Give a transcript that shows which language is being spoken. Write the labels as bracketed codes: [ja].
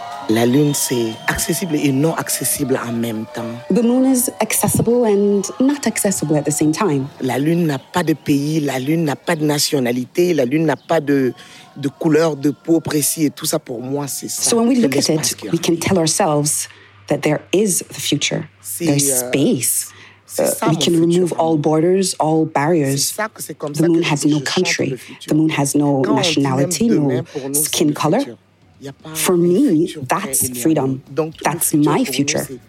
[fr] La Lune, c'est accessible et non accessible en même temps. [en] The Moon is accessible and not accessible at the same time. [fr] La Lune n'a pas de pays, la Lune n'a pas de nationalité, la Lune n'a pas de couleur de peau précise et tout ça pour moi, c'est ça. [en] So when we look at it, we can tell ourselves that there is the future. There's space. We can remove all borders, all barriers. The Moon has no country. The Moon has no nationality, no skin color. For me, that's freedom. That's my future.